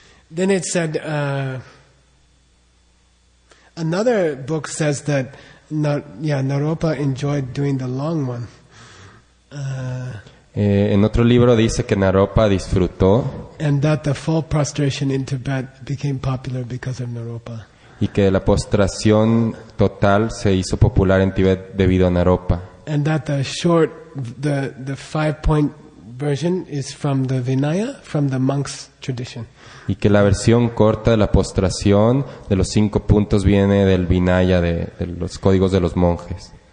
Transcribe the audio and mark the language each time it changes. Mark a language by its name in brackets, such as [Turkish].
[English] Then it said, another book says that Naropa enjoyed doing the long one. [Spanish] En otro libro dice que Naropa disfrutó. [English] And that the full prostration in Tibet became popular because of Naropa. [Spanish] Y que la postración total se hizo popular en Tibet debido a Naropa. [English] And that the short, the 5-point version is from the Vinaya, from the monk's tradition. [Spanish] Y que la versión corta de la postración de los 5 puntos viene del Vinaya, de los códigos de los monjes.